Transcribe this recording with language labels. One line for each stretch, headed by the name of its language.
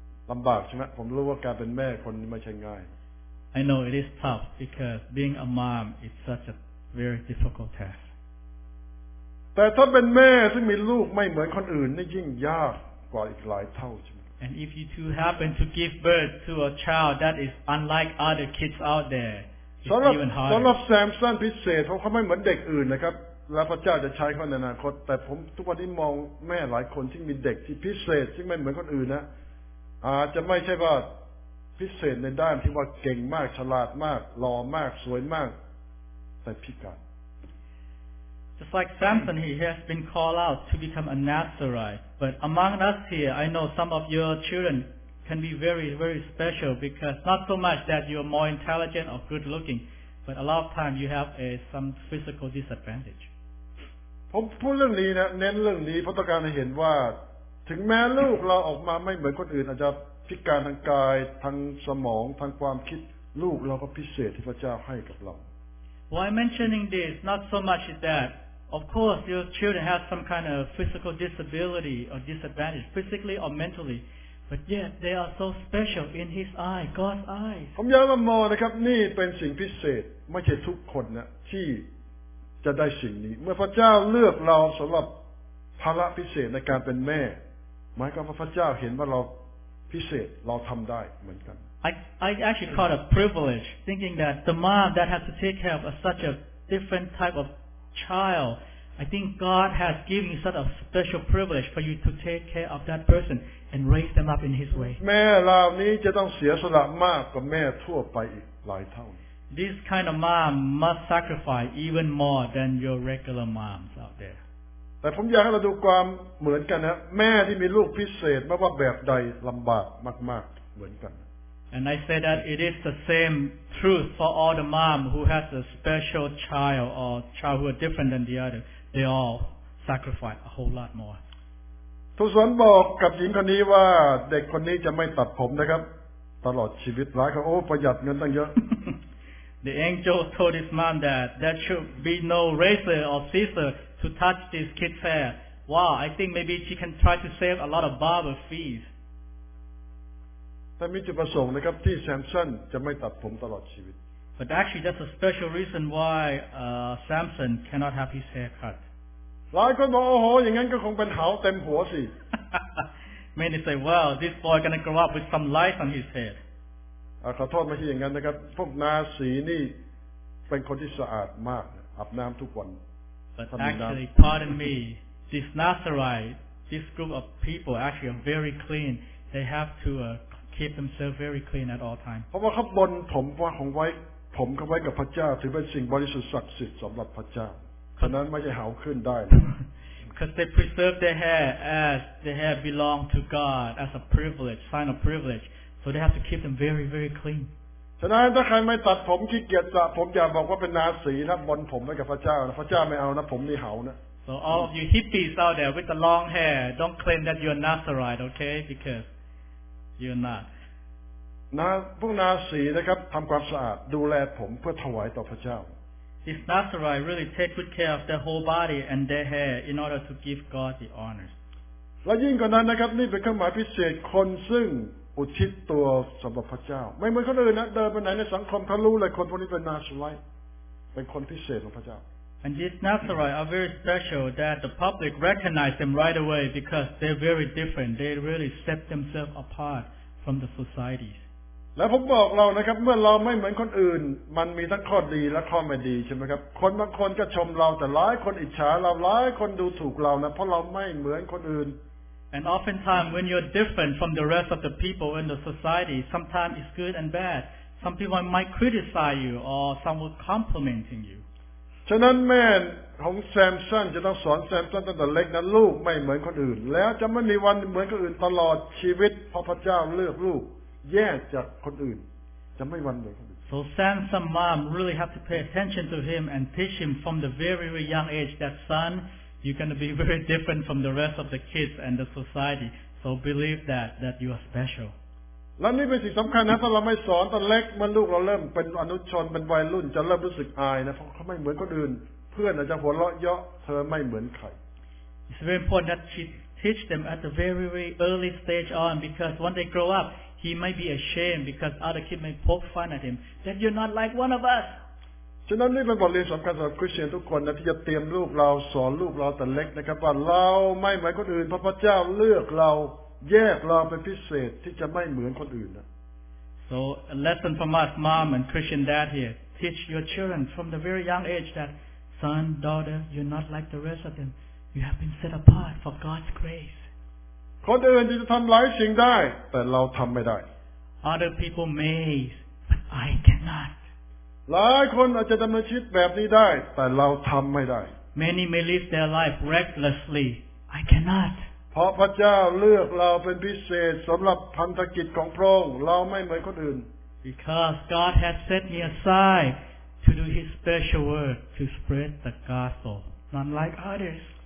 Thai: ลำบากใช่ไหมผมรู้ว่าการเป็นแม่คนไม่ใช่ง่าย
English: I know it is tough because being a mom is such a very difficult task.
Thai: แต่ถ้าเป็นแม่ซึ่งมีลูกไม่เหมือนคนอื่นนี่ยิ่งยากกว่าอีกหลายเท่าใช่ไหม
English: And if you two happen to give birth to a child that is unlike other kids out there. It's even higher.
Thai: สำหรับแซมสันพิเศษเพราะเขาไม่เหมือนเด็กอื่นนะครับแล้วพระเจ้าจะใช้เขาในอนาคตแต่ผมทุกวันนี้มองแม่หลายคนที่มีเด็กที่พิเศษที่ไม่เหมือนคนอื่นนะอาจจะไม่ใช่ว่าพิเศษในด้านที่ว่าเก่งมากฉลาดมากหล่อมากสวยมากแต่พิการ
English: Just like Samson, he has been called out to become a Nazarite. But among us here, I know some of your children can be very, very special because not so much that you are more intelligent or good looking, but a lot of time you have a, some physical disadvantage.
Thai: ผมพูดเรื่องนี้นะเน้นเรื่องนี้เพราะต้องการให้เห็นว่าถึงแม้ลูกเราออกมาไม่เหมือนคนอื่นอาจจะพิการทางกายทางสมองทางความคิดลูกเราก็พิเศษที่พระเจ้าให้กับเรา
English: Why mentioning this? Not so much that, of course, your children have some kind of physical disability or disadvantage, physically or mentally, but yet they are so special in His eye, God's eyes.
Thai: ผมย้ำมานะครับนี่เป็นสิ่งพิเศษไม่ใช่ทุกคนนะที่จะได้สิ่งนี้เมื่อพระเจ้าเลือกเราสำหรับภาระพิเศษในการเป็นแม่หมายความว่าพระเจ้าเห็นว่าเราพิเศษเราทำได้เหมือนกัน
English: I actually call it a privilege, thinking that the mom that has to take care of a, such a different type of child, I think God has given you such a special privilege for you to take care of that person and raise them up in His way.
Thai: แม่เหล่านี้จะต้องเสียสละมากกว่าแม่ทั่วไปอีกหลายเท่า
English: This kind of mom must sacrifice even more than your regular moms out there.
Thai: แต่ผมอยากให้เราดูความเหมือนกันนะแม่ที่มีลูกพิเศษไม่ว่าแบบใดลำบากมากๆเหมือนกัน
English: And I say that it is the same truth for all the mom who has a special child or child who are different than the other. They all sacrifice a whole lot more.
Thai: ทูตสวรรค์บอกกับหญิงคนนี้ว่าเด็กคนนี้จะไม่ตัดผมนะครับตลอดชีวิตร้ายเขาโอ้ประหยัดเงินตั้งเยอะ
English: The angel told this mom that there should be no razor or scissor to touch this kid's hair. Wow, I think maybe she can try to save a lot of barber fees.
Thai: แต่มีจุดประสงค์นะครับที่แซมสันจะไม่ตัดผมตลอดชีวิต
English: But actually that's a special reason why Samson cannot have his hair cut
Thai: หลายคนบอกโอ้โหอย่างนั้นก็คงเป็นเหาเต็มหัวสิ
English: Many say well this boy gonna grow up with some lice on his head
Thai: ขอโทษมาที่อย่างนั้นนะครับพวกนาสีนี่เป็นคนที่สะอาดมากอาบน้ำทุกวัน
English: But actually pardon me this Nazarite this group of people actually are very clean they have to keep themselves very clean at all time
Thai: เพราะว่าเขาบนผมว่าของไว้ผมเขาไว้กับพระเจ้าถือเป็นสิ่งบริสุทธิ์ศักดิ์สิทธิ์สำหรับพระเจ้าฉะนั้นไม่ใช่เหาขึ้นได้
English: Because they preserve their hair as their hair belong to God as a privilege sign of privilege so they have to keep them very very clean
Thai: ฉะนั้นถ้าใครไม่ตัดผมขี้เกียจสระผมอย่าบอกว่าเป็นนาสีนะบนผมไว้กับพระเจ้านะพระเจ้าไม่เอานะผมนี่เหานะ
English: So all of you hippies out there with the long hair don't claim that you're Nazarite okay becauseYou're not.
Thai: นะพวกนาสีนะครับทำความสะอาดดูแลผมเพื่อถวายต่อพระเจ้า
English: His Nazarite really take good care of their whole body and their hair in order to give God the honor.
Thai: และยิ่งกว่านั้นนะครับนี่เป็นเครื่องหมายพิเศษคนซึ่งอุทิศตัวสำหรับพระเจ้าไม่เหมือนคนอื่นนะเดินไปไหนในสังคมเขารู้เลยคนพวกนี้เป็นนาสีเป็นคนพิเศษของพระเจ้า
English: And these Nazarite are very special that the public recognize them right away because they're very different. They really set themselves apart. From the societies.
Thai: แล้วผมบอกเรานะครับเมื่อเราไม่เหมือนคนอื่นมันมีทั้งข้อดีและข้อไม่ดีใช่ไหมครับคนบางคนก็ชมเราแต่หลายคนอิจฉาเราหลายคนดูถูกเรานะเพราะเราไม่เหมือนคนอื่น
English: And oftentimes when you're different from the rest of the people in the society, sometimes it's good and bad. Some people might criticize you or some will complimenting you.
Thai: ฉะนั้นแม่ของแซมสันจะต้องสอนแซมสันตั้งแต่เล็กนะลูกไม่เหมือนคนอื่นแล้วจะไม่มีวันเหมือนคนอื่นตลอดชีวิตเพราะพระเจ้าเลือกลูกแยกจากคนอื่นจะไม่วันเหมือนคนอื่น
English: So Samson's mom really have to pay attention to him and teach him from the very very young age that son you're going to be very different from the rest of the kids and the society so believe that you are special
Thai: แล้วนี่เป็นสิ่งสำคัญนะถ้าเราไม่สอนตอนเล็กมันลูกเราเริ่มเป็นอนุชนเป็นวัยรุ่นจะเริ่มรู้สึกอายนะเพราะเขาไม่เหมือนคนอื่นเพื่อนอาจจะหัวเราะเยาะเธอไม่เหมือนใคร
English: It's very important that she teach them at the very very early stage on because when they grow up he might be ashamed because other kids may poke fun at him that you're not like one of us
Thai: ฉะนั้นนี่เป็นบทเรียนสำคัญสำหรับคริสเตียนทุกคนนะที่จะเตรียมลูกเราสอนลูกเราตอนเล็กนะครับว่าเราไม่เหมือนคนอื่นพระเจ้าเลือกเราแยกเราเป็นพิเศษที่จะไม่เหมือนคนอื่นนะ
English: So a lesson from us mom and Christian dad here teach teach your children from the very young age that son, daughter, you're not like the rest of them. You have been set apart for God's grace.
Thai: คนอื่นจะทำหลายสิ่งได้แต่เราทำไม่ได้
English: Other people may, but I cannot.
Thai: หลายคนอาจจะดำเนินชีวิตแบบนี้ได้แต่เราทำไม่ได้
English: Many may live their life recklessly. I cannot.
Thai: เพราะพระเจ้าเลือกเราเป็นพิเศษสำหรับพันธกิจของพระองค์เราไม่เหมือนคนอื่น
English: Because God has set me aside to do His special work to spread the gospel, not like others.